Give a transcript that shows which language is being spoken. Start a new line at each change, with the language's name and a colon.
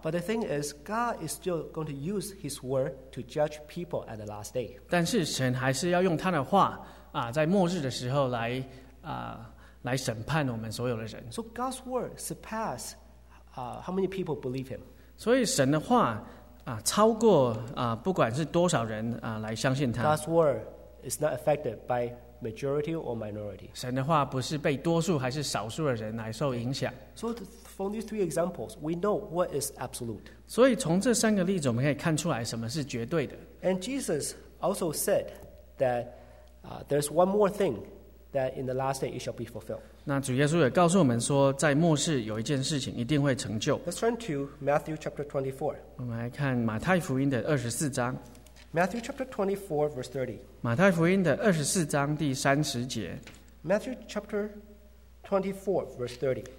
English: But the thing is, God is still going to use His word to judge people at the last day.
Chinese: 但是神还是要用他的话，在末日的时候来审判我们所有的人。
English: So God's word surpass. How many people believe him?
Chinese: 所以神的话，超过不管是多少人来相信他。
English: God's word is not affected by majority or minority.
Chinese: 神的话不是被多数还是少数的人来受影响。
English: So from these three examples, we know what is absolute.
Chinese: 所以从这三个例子，我们可以看出来什么是绝对的。
English: And Jesus also said that there's one more thing that in the last day it shall be fulfilled.
Chinese: 那主耶稣也告诉我们说，在末世有一件事情一定会成就。
English: Let's turn to Matthew chapter 24.
Chinese: 我们来看马太福音的24章。
English: Matthew chapter 24, verse 30.
Chinese: 马太福音的24章第30节。
English: Matthew chapter 24, verse 30.